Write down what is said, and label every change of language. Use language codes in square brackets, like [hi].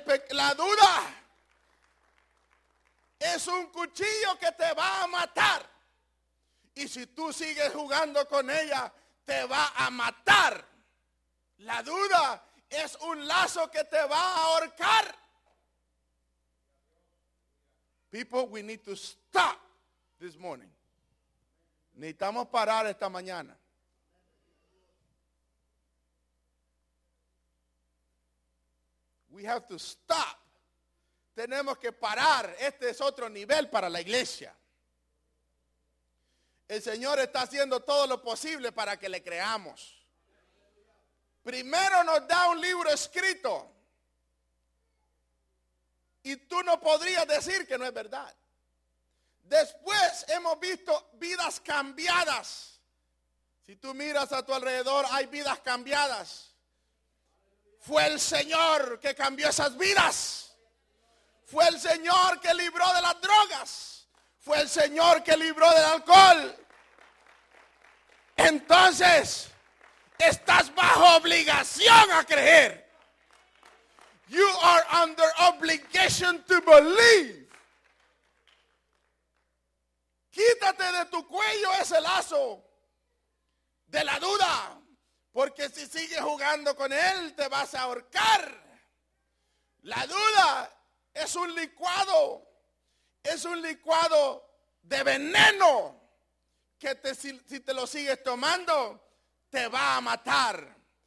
[es] La duda es un cuchillo que te va a matar. Y si tú sigues jugando con ella, te va a matar. La duda es un lazo que te va a ahorcar. [en] People, we need to stop this morning. [es] Necesitamos parar esta mañana. [en] We have to stop. [es] Tenemos que parar. Este es otro nivel para la iglesia. El Señor está haciendo todo lo posible para que le creamos. Primero nos da un libro escrito. Y tú no podrías decir que no es verdad. Después hemos visto vidas cambiadas. Si tú miras a tu alrededor, hay vidas cambiadas. Fue el Señor que cambió esas vidas. Fue el Señor que libró de las drogas. Fue el Señor que libró del alcohol. Entonces, estás bajo obligación a creer. [en] You are under obligation to believe. [es] Quítate de tu cuello ese lazo de la duda, porque si sigues jugando con él, te vas a ahorcar. La duda es un licuado. Es un licuado de veneno que te, si te lo sigues tomando, te va a matar.